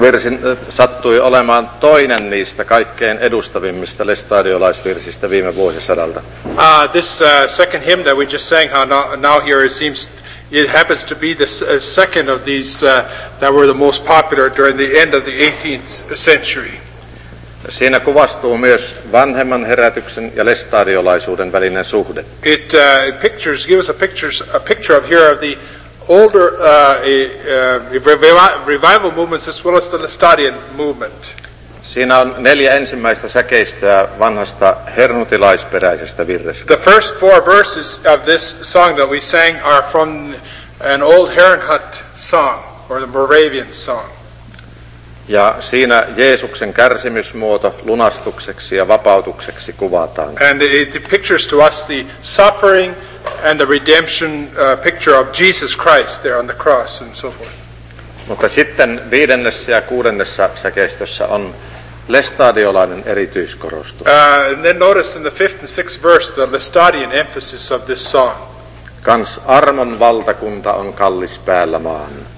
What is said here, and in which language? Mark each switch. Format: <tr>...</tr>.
<fi>Virsin sattui olemaan toinen niistä kaikkein edustavimmista lestadiolaisvirsistä viime vuosisadalta.</fi> <en>This second hymn that we just sang now here, it happens to be the second of these that were the most popular during the end of the 18th century.</en> <fi>Siinä kuvastuu myös vanhemman herätyksen ja lestadiolaisuuden välinen suhde.</fi> <en>It gives us a picture of here of the older revival movements as well as the Lestadian movement.</en> <fi>Siinä on neljä ensimmäistä säkeistöä vanhasta hernutilaisperäisestä virrestä.</fi> <en>The first four verses of this song that we sang are from an old Herrnhut song or the Moravian song.</en> <fi>Ja siinä Jeesuksen kärsimysmuoto lunastukseksi ja vapautukseksi kuvataan.</fi> <en>And it pictures to us the suffering and the redemption picture of Jesus Christ there on the cross and so forth.</en> <fi>Mutta sitten viidennessä ja kuudennessa säkeistössä on lestadiolainen erityiskorostus.</fi> <en>Then notice in the fifth and sixth verse the Lestadian emphasis of this song.</en> <fi>Kans armon valtakunta on kallis päällä maan.</fi>